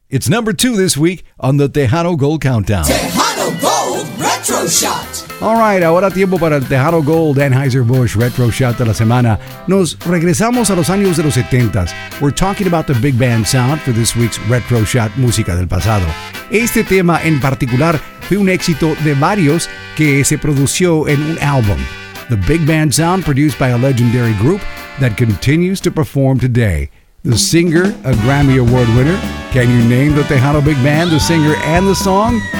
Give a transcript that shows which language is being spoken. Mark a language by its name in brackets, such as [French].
[English] It's number 2 this week on the Tejano Gold Countdown. Tejano Gold Retro Shot. All right, [Spanish] ahora tiempo para el Tejano Gold Anheuser-Busch Retro Shot de la semana. Nos regresamos a los años de los 70s. [English] We're talking about the big band sound for this week's Retro Shot Música del Pasado. [Spanish] Este tema en particular fue un éxito de varios que se produjo en un álbum. [English] The big band sound produced by a legendary group that continues to perform today. The singer, a Grammy Award winner. Can you name the Tejano Big Band, the singer, and the song?